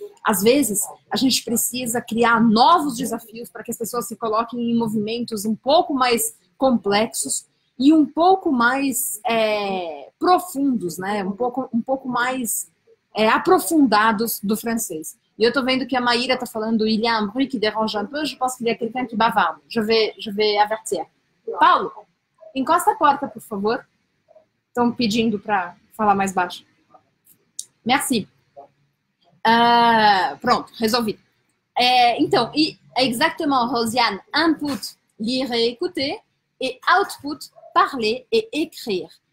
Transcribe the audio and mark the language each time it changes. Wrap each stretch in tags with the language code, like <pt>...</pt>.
<pt>Às vezes, a gente precisa criar novos desafios para que as pessoas se coloquem em movimentos um pouco mais complexos e um pouco mais profundos, né? Um pouco mais aprofundados do francês. E eu tô vendo que a Maíra tá falando</pt> <fr>il y a un bruit qui dérange un peu, je pense qu'il y a quelqu'un qui bavarde. Je vais avertir.</fr> <pt>Paulo, encosta a porta, por favor. Estão pedindo para falar mais baixo.</pt> <fr>Merci.</fr> <pt>Pronto, resolvi. Então, e</pt> <fr>exactement, Rosiane, input, lire et écouter, e output, parler et écrire.</fr>